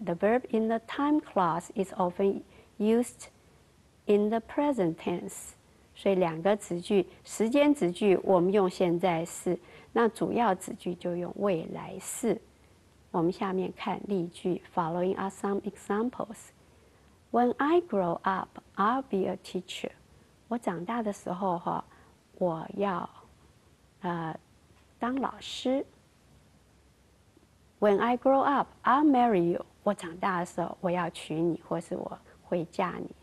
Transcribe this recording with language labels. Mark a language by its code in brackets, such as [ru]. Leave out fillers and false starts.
[en] The verb in the time clause is often used in the present tense。 [zh] 所以两个子句，时间子句我们用现在式，那主要子句就用未来式。我们下面看例句 ， [en] Following are some examples. When I grow up, I'll be a teacher. [zh] 我长大的时候哈，我要当老师。 [en] When I grow up, I'll marry you. [zh] 我长大的时候我要娶你，或是我会嫁你。